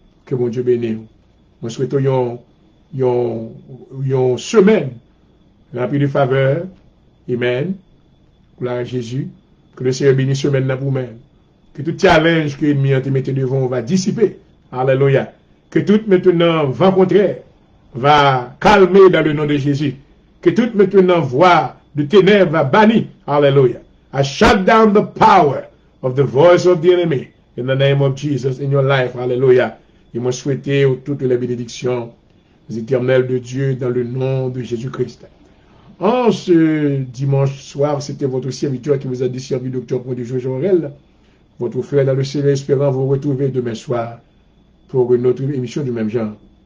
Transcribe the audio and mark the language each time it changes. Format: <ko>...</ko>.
<fr>Que mon Dieu bénisse. Nous souhaitons une semaine remplie de faveur. Amen. Gloire à Jésus. Que le Seigneur bénisse la semaine vous-même. Que tout challenge que l'ennemi a été mis devant va dissiper. Alléluia. Que tout maintenant vent contraire va calmer dans le nom de Jésus. Que tout maintenant voix de ténèbres va bannir. Alléluia.</fr> <en>I shut down the power of the voice of the enemy in the name of Jesus in your life. Alléluia.</en> <fr>Et moi souhaiter toutes les bénédictions éternelles de Dieu dans le nom de Jésus-Christ. En ce dimanche soir, c'était votre serviteur qui vous a desservi, Docteur Prodigio Jorel, votre frère dans le Seigneur, espérant vous retrouver demain soir pour une autre émission du même genre.</fr>